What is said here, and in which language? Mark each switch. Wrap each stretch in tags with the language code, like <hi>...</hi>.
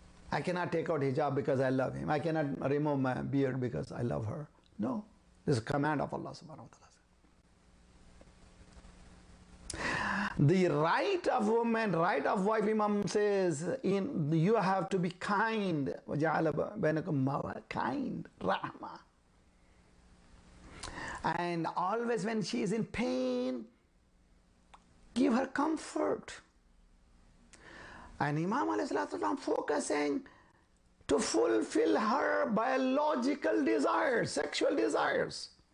<en>I cannot take out hijab because I love him. I cannot remove my beard because I love her. No, this is a command of Allah subhanahu wa ta'ala. The right of woman, right of wife, Imam says, you have to be kind.</en> <ar>وَجَعَلَ بَيْنَكُمْ مَوَدَّةً kind, rahma.</ar> <en>And always when she is in pain, give her comfort. And Imam alayhi salatu wasalam focusing to fulfill her biological desires, sexual desires.</en>